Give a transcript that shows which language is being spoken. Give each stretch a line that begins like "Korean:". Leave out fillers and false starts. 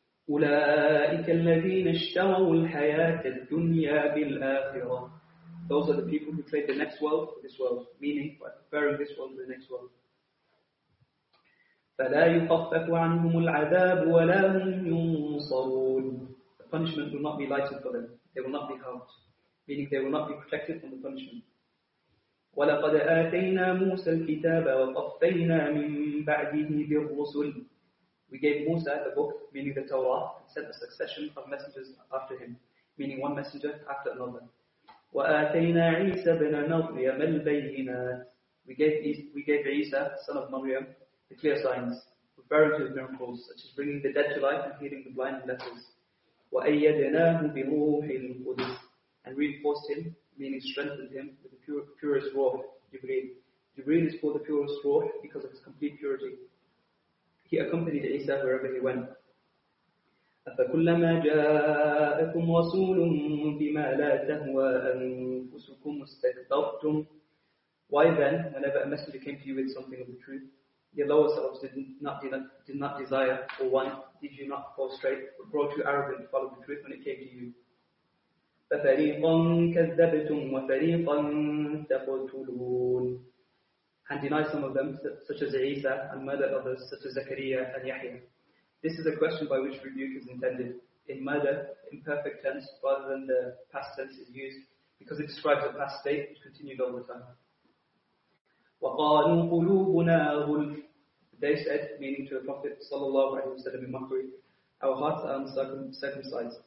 Arabic: أولئك الذين اشتروا الحياة الدنيا بالآخرة.
English: Those are the people who trade the next world for this world, meaning by comparing this world to the next world.
Arabic: فلا يخفف عنهم العذاب ولا هم ينصرون.
English: The punishment will not be lightened for them. They will not be helped. Meaning they will not be protected from the punishment.
Arabic: ولقد آتينا موسى الكتاب وقفينا من بعده بالرسل.
English: We gave Musa the book, meaning the Torah, and sent a succession of messengers after him, meaning one messenger after another.
Arabic: وَآتَيْنَا عِيسَى بْنَ مَرْيَمَ الْبَيِّنَاتِ
English: We gave Isa, son of Maryam, the clear signs, referring to his miracles, such as bringing the dead to life and healing the blind and lepers.
Arabic: وَأَيَّدْنَاهُ بِرُوحِ الْقُدُسِ
English: And reinforced him, meaning strengthened him, with the purest ruh, Jibreel. Jibreel is called the purest ruh because of his complete purity. He accompanied Isa wherever he went.
Arabic: فكلما جاءكم رسول بما لا تهوى أنفسكم استكبرتم.
English: Why then, whenever a messenger came to you with something of the truth, your lower selves did not desire or want, did you not fall straight, but brought you arrogant to follow the truth when it came to you?
Arabic: ففريقا كذبتم وفريقا تقتلون.
English: And deny some of them, such as Isa, and murder others, such as Zakaria and Yahya. This is a question by which rebuke is intended. In murder, imperfect tense, rather than the past tense is used, because it describes a past state which continued all the time.
Arabic: وَقَالُوا قُلُوبُنَا غُلْفٌ
English: They said, meaning to the Prophet sallallahu alaihi wasallam in mockery, our hearts are uncircumcised.